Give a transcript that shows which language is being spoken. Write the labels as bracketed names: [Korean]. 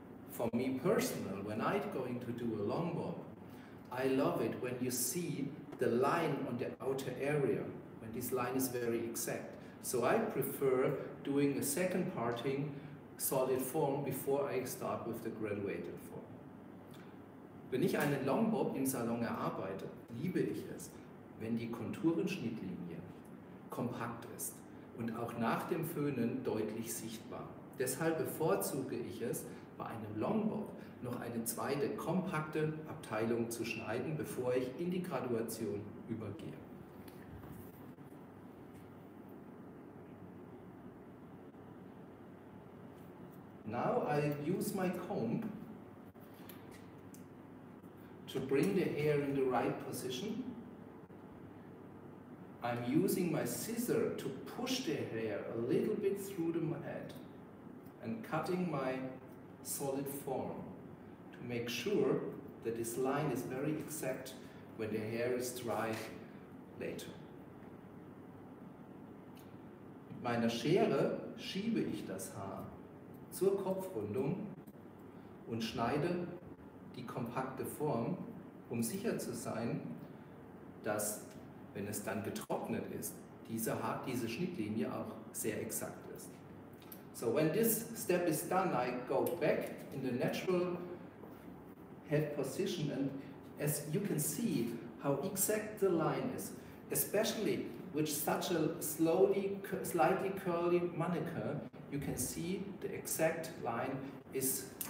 [English] For me personal, when I'm going to do a long bob, I love it when you see the line on the outer area, when this line is very exact. So I prefer doing a second parting solid form before I start with the graduated form. [German] Wenn ich einen long bob im Salon erarbeite, liebe ich es, wenn die Konturenschnittlinie kompakt ist und auch nach dem Föhnen deutlich sichtbar. Deshalb bevorzuge ich es, bei einem Long Bob noch eine zweite kompakte Abteilung zu schneiden, bevor ich in die Graduation übergehe. [English] Now I use my comb to bring the hair in the right position. I'm using my scissor to push the hair a little bit through the head and cutting my solid form to make sure that this line is very exact when the hair is dry later. [German] Mit meiner Schere schiebe ich das Haar zur Kopfrundung und schneide die kompakte Form, um sicher zu sein, dass wenn es dann getrocknet ist, diese Schnittlinie auch sehr exakt ist. [English] So when this step is done, I go back in the natural head position and as you can see how exact the line is, especially with such a slightly curly manicure, you can see the exact line is.